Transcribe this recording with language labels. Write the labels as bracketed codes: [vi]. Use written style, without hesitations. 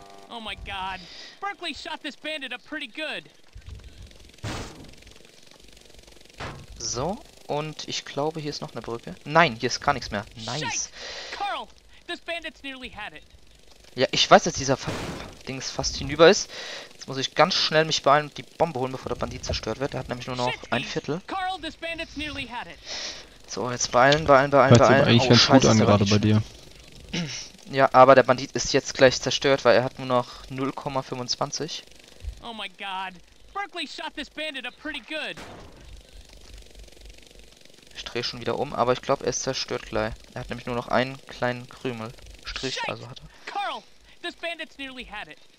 [en] Oh my God, Berkeley shot this bandit up pretty good. [de] So. Und ich glaube, hier ist noch eine Brücke. Nein, hier ist gar nichts mehr. [en] Nice. Carl, this bandit's nearly had it. [de] Ja, ich weiß, dass dieser Ding fast hinüber ist. Jetzt muss ich ganz schnell mich beeilen und die Bombe holen, bevor der Bandit zerstört wird. Der hat nämlich nur noch ein Viertel. [en] Carl, this bandit's nearly had it. [de] So, jetzt beeilen. Weißt du, eigentlich fängt gut an gerade bei dir. Ja, aber der Bandit ist jetzt gleich zerstört, weil er hat nur noch 0,25. [en] Oh my God. Berkeley shot this bandit up pretty good. [de] Ich drehe schon wieder um, aber ich glaube, er ist zerstört gleich. Er hat nämlich nur noch einen kleinen Krümel. Strich, also hat er. [en] Carl, this bandit's nearly had it.